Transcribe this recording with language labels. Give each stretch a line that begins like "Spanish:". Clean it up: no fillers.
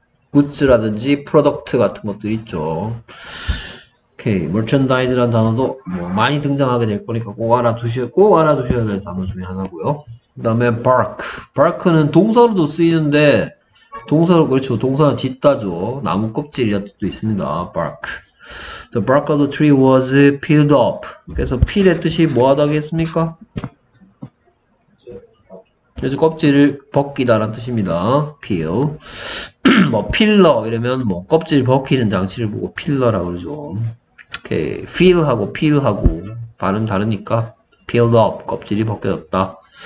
Korean: 굿즈라든지 프로덕트 같은 것들 있죠. 오케이, 머천다이즈란 단어도 뭐 많이 등장하게 될 거니까 꼭 알아두셔야 될 단어 중에 하나고요. 그다음에 bark. bark는 동사로도 쓰이는데 동사로 그렇죠. 동사는 짓다죠. 나무 껍질이라는 뜻도 있습니다.
English: bark. The bark of the tree was peeled off.
Korean: 그래서 peel의 뜻이 뭐하다고 했습니까? 그래서 껍질을 벗기다라는 뜻입니다.
English: peel.
Korean: 뭐 필러 이러면 뭐 껍질 벗기는 장치를 보고 필러라 그러죠. 이렇게 feel 하고 peel 하고 발음 다르니까
English: peeled up,
Korean: 껍질이 벗겨졌다.